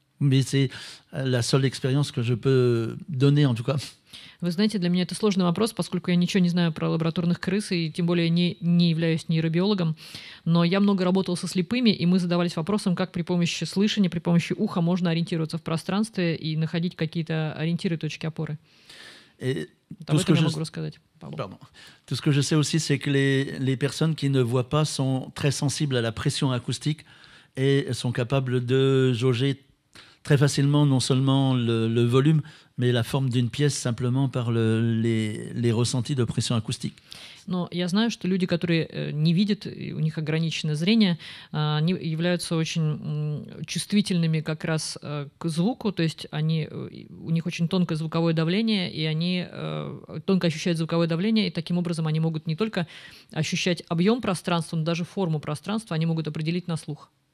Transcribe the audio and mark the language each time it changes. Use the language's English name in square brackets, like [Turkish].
[French] Mais c'est la seule expérience que je peux donner, en tout cas. [Russian] Вы знаете, для меня это сложный вопрос, поскольку я ничего не знаю про лабораторных крыс, и тем более не являюсь нейробиологом. Но я много работал со слепыми, и мы задавались вопросом, как при помощи слышания, при помощи уха можно ориентироваться в пространстве и находить какие-то ориентиры, точки опоры. [French] Tout ce que je voulais dire, pardon. Tout ce que je sais aussi, c'est que les personnes qui ne voient pas sont très sensibles à la pression acoustique et sont capables de jauger très facilement non seulement le volume, mais la forme d'une pièce simplement par les ressentis de pression acoustique. [Russian] Но я знаю, что люди, которые не видят, у них ограничено зрение, они являются очень чувствительными как раз к звуку, то есть у них очень тонкое звуковое давление, и они тонко ощущают звуковое давление, и таким образом они могут не только ощущать объем пространства, но даже форму пространства они могут определить на слух.